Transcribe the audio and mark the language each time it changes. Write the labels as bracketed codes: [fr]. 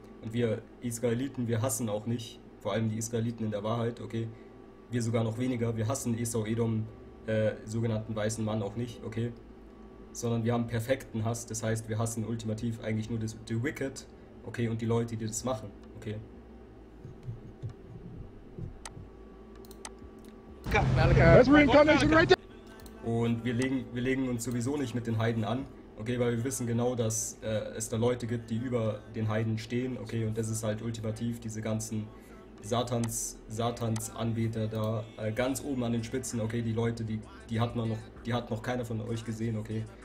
[de] Und wir Israeliten, wir hassen auch nicht, vor allem die Israeliten in der Wahrheit, okay? Wir sogar noch weniger, wir hassen Esau Edom, sogenannten weißen Mann auch nicht, okay? Sondern wir haben perfekten Hass, das heißt, wir hassen ultimativ eigentlich nur das The Wicked, okay? Und die Leute, die das machen, okay? [en] That's reincarnation right there. [de] Und wir legen uns sowieso nicht mit den Heiden an. Okay, weil wir wissen genau, dass es da Leute gibt, die über den Heiden stehen, okay, und das ist halt ultimativ diese ganzen Satans-Anbeter da ganz oben an den Spitzen, okay, die Leute, die hat noch keiner von euch gesehen, okay,